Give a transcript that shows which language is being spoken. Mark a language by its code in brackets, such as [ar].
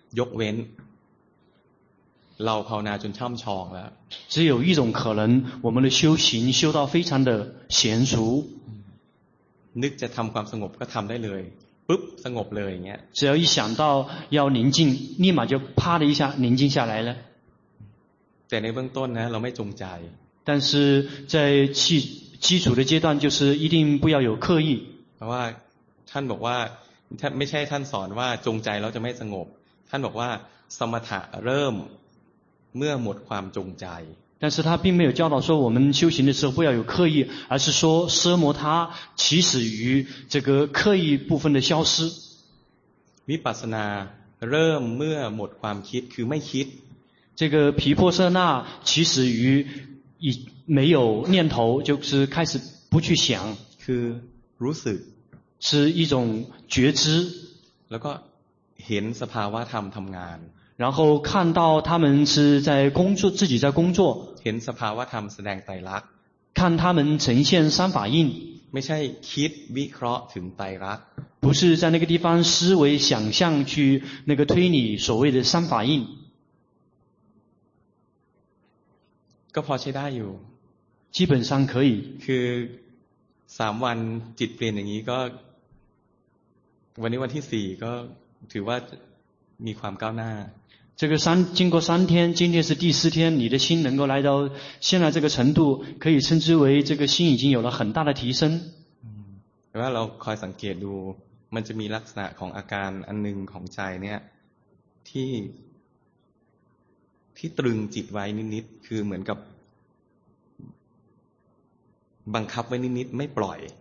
[th] ยกเว้นเราภาวนาจนช่ำชองแล้ว [zh] 只有一种可能我们的修行修到非常的娴熟 [th] นึกจะทำความสงบก็ทำได้เลยปุ๊บสงบเลยอย่างเงี้ย [zh] 只要一想到要宁静立马就啪的一下宁静下来了 [th] แต่ในเบื้องต้นนะเราไม่จงใจ [zh] 但是在基础的阶段就是一定不要有刻意 [th] เพราะว่าท่านบอกว่าไม่ใช่ท่านสอนว่าจงใจแล้วจะไม่สงบท่านบอกว่าสมถะเริ่มเมื่อหมดความจงใจ [zh] 但是他并没有教导说我们修行的时候不要有刻意而是说奢摩他起始于这个刻意部分的消失 [th] วิปัสสนาเริ่มเมื่อหมดความคิดคือไม่คิด [zh] 这个毗婆舍那起始于以没有念头就是开始不去想 [th] คือรู้สึก [zh] 是一种觉知 [th] แล้วก็เห็นสภาวะธรรมทำงาน [zh] 然后看到他们是在工作自己在工作 [th] เห็นสภาวะธรรมแสดงไตรลักษณ์ [zh] 看他们呈现三法印 [th] ไม่ใช่คิดวิเคราะห์ถึงไตรลักษณ์ [zh] 不是在那个地方思维想象去那个推理所谓的三法印 [th] ก็พอใช้ได้อยู่ [zh] 基本上可以 [th] คือ3วันจิตเปลี่ยนอย่างนี้ก็วันนี้วันที่4ก็ถือว่ามีความก้าวหน้า [zh] 这个三经过三天，今天是第四天，你的心能够来到现在这个程度，可以称之为这个心已经有了很大的提升。 [th] 嗯，แต่ว่าเราคอยสังเกตดูมันจะมีลักษณะของอาการอันหนึ่งของใจเนี่ยที่ตรึงจิตไว้นิดๆคือเหมือนกับบังคับไว้นิดๆไม่ปล่อย